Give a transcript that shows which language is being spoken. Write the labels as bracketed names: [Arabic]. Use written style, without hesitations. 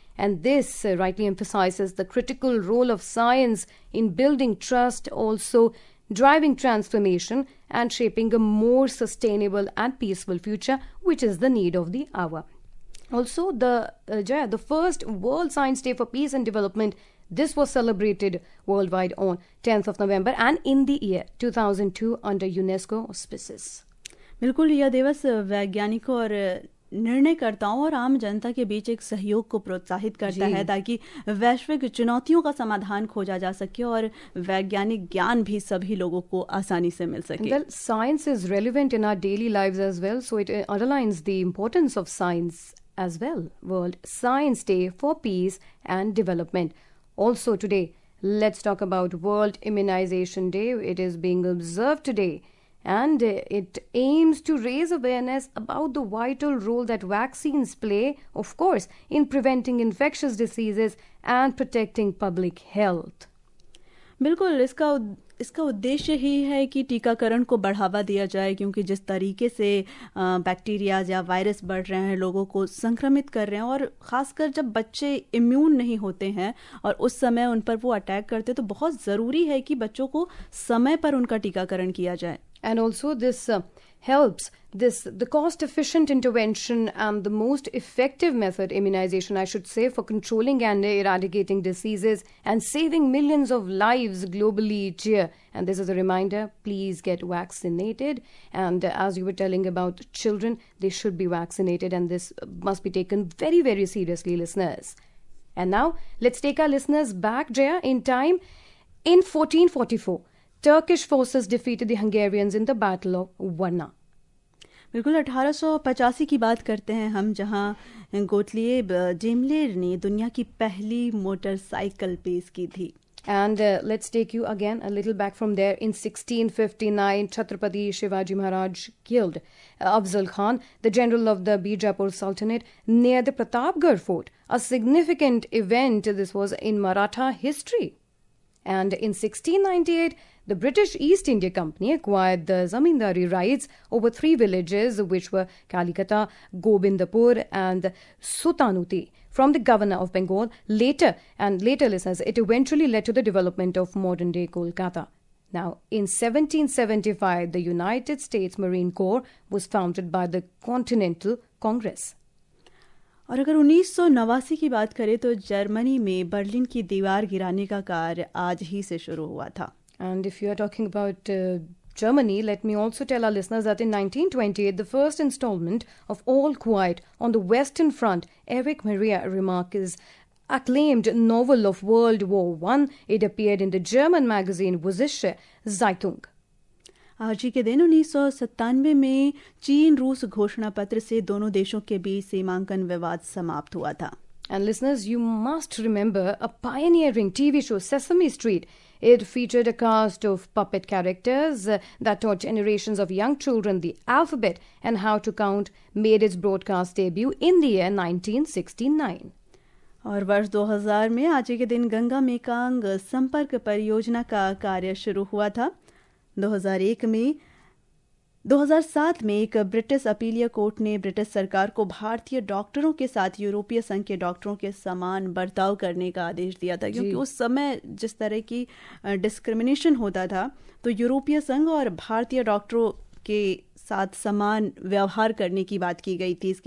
[English] And this rightly emphasizes the critical role of science in building trust, also driving transformation and shaping a more sustainable and peaceful future, which is the need of the hour. Also, the first World Science Day for Peace and Development, this was celebrated worldwide on 10th of November and in the year 2002 under UNESCO auspices. [Hindi] बिल्कुल, यह दिवस वैज्ञानिकों और निर्णयकर्ताओं और आम जनता के बीच एक सहयोग को प्रोत्साहित करता है ताकि वैश्विक चुनौतियों का समाधान खोजा जा सके और वैज्ञानिक ज्ञान भी सभी लोगों को आसानी से मिल सके। [English] Well, science is relevant in our daily lives as well, so it underlines the importance of science as well. World Science Day for Peace and Development. Also today, let's talk about World Immunization Day. It is being observed today and it aims to raise awareness about the vital role that vaccines play, of course, in preventing infectious diseases and protecting public health. [Hindi] बिल्कुल, इसका उद्देश्य ही है कि टीकाकरण को बढ़ावा दिया जाए, क्योंकि जिस तरीके से बैक्टीरियाज या वायरस बढ़ रहे हैं, लोगों को संक्रमित कर रहे हैं, और ख़ासकर जब बच्चे इम्यून नहीं होते हैं और उस समय उन पर वो अटैक करते हैं, तो बहुत ज़रूरी है कि बच्चों को समय पर उनका टीकाकरण किया जाए। [English] And also this helps this the cost efficient intervention and the most effective method immunization I should say for controlling and eradicating diseases and saving millions of lives globally each year. And this is a reminder, please get vaccinated. And as you were telling about children, they should be vaccinated and this must be taken very, very seriously, listeners. And now let's take our listeners back, Jaya, in time. In 1444, Turkish forces defeated the Hungarians in the Battle of Varna. [Hindi] बिल्कुल 1885 की बात करते हैं हम, जहां गोटलिएब डिमलेर ने दुनिया की पहली मोटरसाइकिल पेस की थी. [English] And let's take you again a little back from there. In 1659, Chhatrapati Shivaji Maharaj killed Afzal Khan, the general of the Bijapur Sultanate, near the Pratapgarh fort. A significant event this was in Maratha history. And in 1698, the British East India Company acquired the zamindari rights over three villages, which were Kalikata, Gobindapur, and Sutanuti. From the governor of Bengal later, and later listeners, it eventually led to the development of modern day Kolkata. Now, in 1775, the United States Marine Corps was founded by the Continental Congress. [Hindi] और अगर 1989 की बात करें तो Germany में Berlin की दीवार गिराने का कार्य आज ही से शुरू हुआ था. [English] And if you are talking about Germany, let me also tell our listeners that in 1928, the first installment of All Quiet on the Western Front, Erich Maria Remarque's acclaimed novel of World War I, it appeared in the German magazine Vossische Zeitung. [Hindi] आज ही के दिन 1997 में चीन रूस घोषणा पत्र से दोनों देशों के बीच सीमांकन विवाद समाप्त हुआ था. [English] And listeners, you must remember a pioneering TV show, Sesame Street. It featured a cast of puppet characters that taught generations of young children the alphabet and how to count, made its broadcast debut in the year 1969. [Hindi] और वर्ष 2000 में आज के दिन Ganga Mekong संपर्क परियोजना का कार्य शुरू हुआ था. 2007 में एक ब्रिटिश अपीलीय कोर्ट ने ब्रिटिश सरकार को भारतीय डॉक्टरों के साथ यूरोपीय संघ के डॉक्टरों के समान बर्ताव करने का आदेश दिया था, क्योंकि उस समय जिस तरह की डिस्क्रिमिनेशन होता था तो यूरोपीय संघ और भारतीय डॉक्टरों के साथ समान व्यवहार करने की बात की गई थी.